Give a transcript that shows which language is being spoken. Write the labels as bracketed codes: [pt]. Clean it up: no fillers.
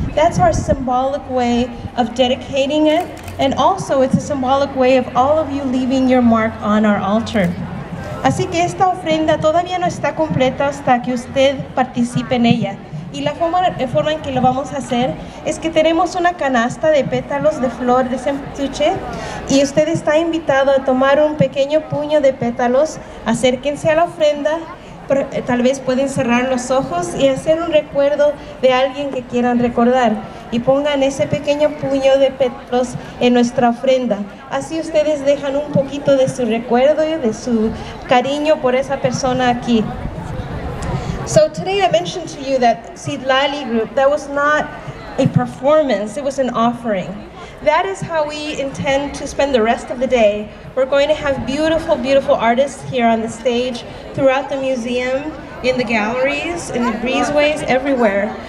[en] That's our symbolic way of dedicating it, and also it's a symbolic way of all of you leaving your mark on our altar. [es] Así que esta ofrenda todavía no está completa hasta que usted participe en ella. Y la forma en que lo vamos a hacer es que tenemos una canasta de pétalos de flor de sempasuchil, y usted está invitado a tomar un pequeño puño de pétalos, acérquense a la ofrenda, tal vez pueden cerrar los ojos y hacer un recuerdo de alguien que quieran recordar, y pongan ese pequeño puño de pétalos en nuestra ofrenda. Así ustedes dejan un poquito de su recuerdo y de su cariño por esa persona aquí. [en] So today I mentioned to you that Sidlali group, that was not a performance, it was an offering. That is how we intend to spend the rest of the day. We're going to have beautiful, beautiful artists here on the stage, throughout the museum, in the galleries, in the breezeways, everywhere.